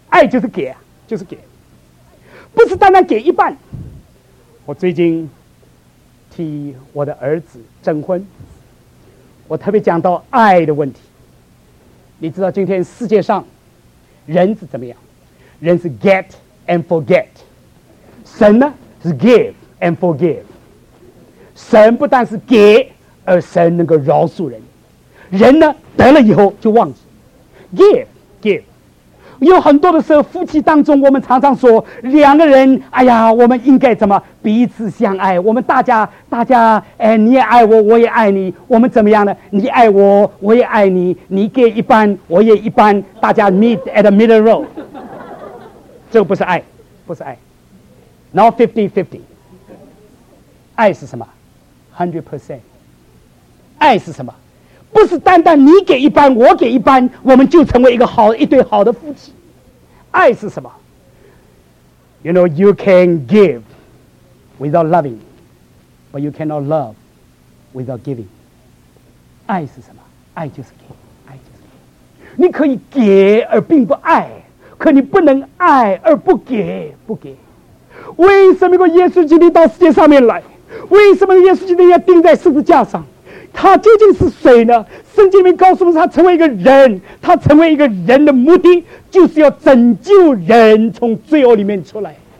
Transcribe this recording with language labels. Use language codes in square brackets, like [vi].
[zh] 爱就是给，就是给，不是单单给一半。我最近替我的儿子征婚，我特别讲到爱的问题。你知道今天世界上人是怎么样？人是 [en] get and forget， [zh] 神呢是 [en] give and forgive。 [zh] 神不但是给，而神能够饶恕人，人呢得了以后就忘记。 give 有很多的时候，夫妻当中我们常常说两个人，哎呀，我们应该怎么彼此相爱，我们大家哎，你也爱我，我也爱你，我们怎么样呢？你爱我，我也爱你，你给一半，我也一半，大家 [en] meet at a middle road。 [zh] 这个不是爱，不是爱。 [en] not 50-50。 [zh] 爱是什么？ 100%。 爱是什么？不是单单你给一半我给一半我们就成为一对好的夫妻。爱是什么？ [en] You know, you can give without loving, but you cannot love without giving. [zh] 爱是什么？爱就是给，爱就是给。你可以给而并不爱，可你不能爱而不给，不给。为什么耶稣基督到世界上面来？为什么耶稣基督要钉在十字架上？他究竟是谁呢？圣经里面告诉我们，他成为一个人，他成为一个人的目的就是要拯救人从罪恶里面出来。